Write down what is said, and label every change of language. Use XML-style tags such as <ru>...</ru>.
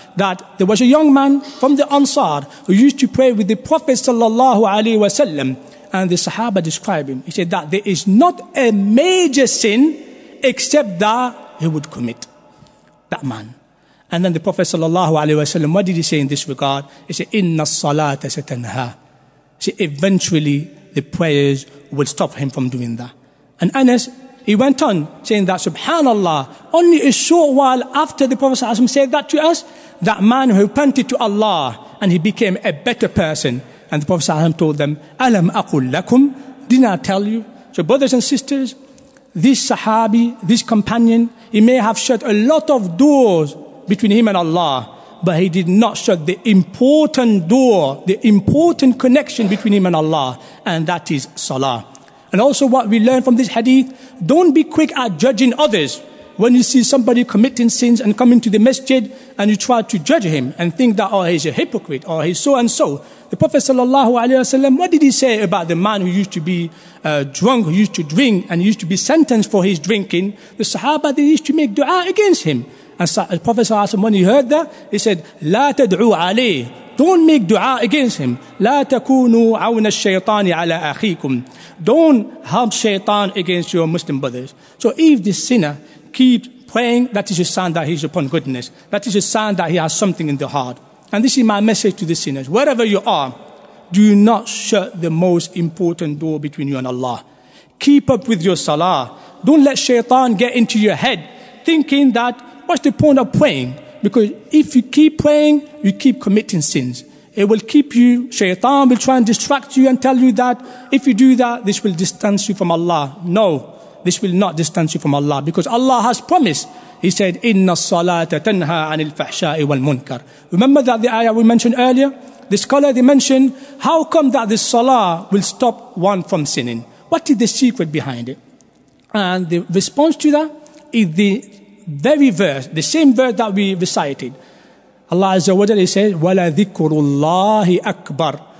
<en>That there was a young man from the Ansar who used to pray with the Prophet sallallahu alayhi wasallam, and the Sahaba described him. He said that there is not a major sin except that he would commit. That man. And then the Prophet sallallahu alayhi wasallam, what did he say in this regard? He said,</en> <ar>إِنَّ الصَّلَاةَ سَتَنْهَا.</ar> <en>He said, eventually the prayers will stop him from doing that. And Anas, he went on saying that, subhanallah, only a short while after the Prophet sallallahu alayhi wasallam said that to us, that man who repented to Allah and he became a better person. And the Prophet sallallahu alayhi wasallam told them,</en> <ar>أَلَمْ أَقُلْ لَكُمْ.</ar> <en>Didn't I tell you? So brothers and sisters, this Sahabi, this companion, he may have shut a lot of doors between him and Allah, but he did not shut the important door, the important connection between him and Allah, and that is salah. And also what we learn from this hadith, don't be quick at judging others. When you see somebody committing sins and coming to the masjid, and you try to judge him and think that, oh, he's a hypocrite, or he's so and so. The Prophet sallallahu alaihi wasallam, what did he say about the man who used to be drunk, who used to drink, and used to be sentenced for his drinking? The Sahaba, they used to make dua against him. And the Prophet sallallahu alaihi wasallam, when he heard that, he said,</en> <ar>لا تدعو عليه.</ar> <en>Don't make dua against him.</en> <ar>لا تكونوا عون الشيطان على أخيكم.</ar> <en>Don't help shaitan against your Muslim brothers. So if this sinner keeps praying, that is a sign that he's upon goodness. That is a sign that he has something in the heart. And this is my message to the sinners. Wherever you are, do not shut the most important door between you and Allah. Keep up with your salah. Don't let shaitan get into your head thinking that, what's the point of praying? Because if you keep praying, you keep committing sins. It will keep you, shaitan will try and distract you and tell you that if you do that, this will distance you from Allah. No, this will not distance you from Allah, because Allah has promised. He said,</en> <ar>إِنَّ الصَّلَاةَ تَنْهَى عَنِ الْفَحْشَاءِ وَالْمُنْكَرِ.</ar> <en>Remember that the ayah we mentioned earlier? The scholar, they mentioned, how come that the salah will stop one from sinning? What is the secret behind it? And the response to that is the very verse, the same verse that we recited. Allah Azza wa Jalla says,</en> <ar>وَلَا ذِكُرُ اللَّهِ أَكْبَرُ.</ar>